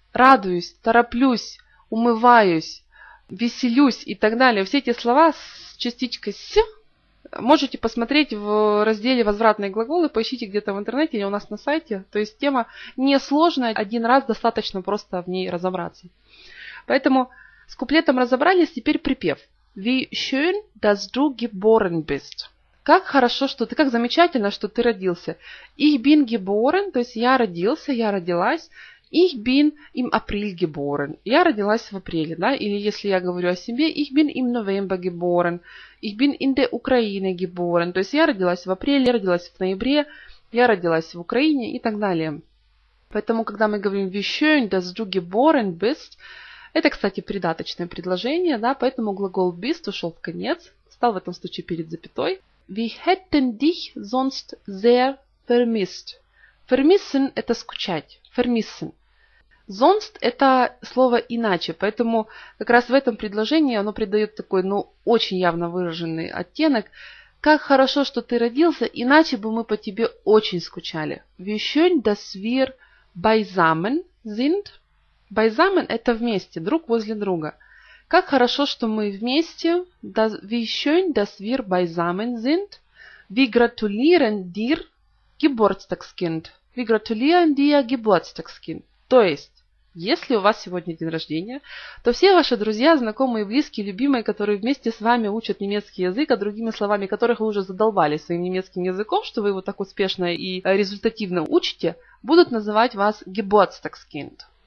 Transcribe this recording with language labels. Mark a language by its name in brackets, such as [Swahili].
[Russian] «Радуюсь», «тороплюсь», «умываюсь», «веселюсь» и так далее. Все эти слова с частичкой «с» можете посмотреть в разделе «Возвратные глаголы», поищите где-то в интернете или у нас на сайте. То есть тема несложная, один раз достаточно просто в ней разобраться. Поэтому с куплетом разобрались, теперь припев. [German] Wie schön, dass du geboren bist. [Russian] Как хорошо, что ты, как замечательно, что ты родился. [German] Ich bin geboren, [Russian] то есть я родился, я родилась. [German] Ich bin im April geboren. [Russian] Я родилась в апреле, да? Или если я говорю о себе, [German] ich bin im November geboren. Ich bin in der Ukraine geboren. [Russian] То есть я родилась в апреле, я родилась в ноябре, я родилась в Украине и так далее. Поэтому, когда мы говорим [German] wie schön, dass du geboren bist, [Russian] это, кстати, придаточное предложение, да? Поэтому глагол bist ушел в конец, стал в этом случае перед запятой. [German] Wir hätten dich sonst sehr vermisst. [Russian] Vermissen – это скучать. [German] Vermissen. [Russian] Sonst – это слово иначе, поэтому как раз в этом предложении оно придает такой, ну, очень явно выраженный оттенок. Как хорошо, что ты родился, иначе бы мы по тебе очень скучали. [German] Wie schön, dass wir beisammen sind. [Russian] Beisammen – это вместе, друг возле друга. Как хорошо, что мы вместе. [German] Wie schön, dass wir beisammen sind. Wir gratulieren dir, Geburtstagskind. Wir gratulieren dir Geburtstagskind. [Russian] То есть, если у вас сегодня день рождения, то все ваши друзья, знакомые, близкие, любимые, которые вместе с вами учат немецкий язык, а другими словами, которых вы уже задолбали своим немецким языком, что вы его так успешно и результативно учите, будут называть вас Geburtstagskind.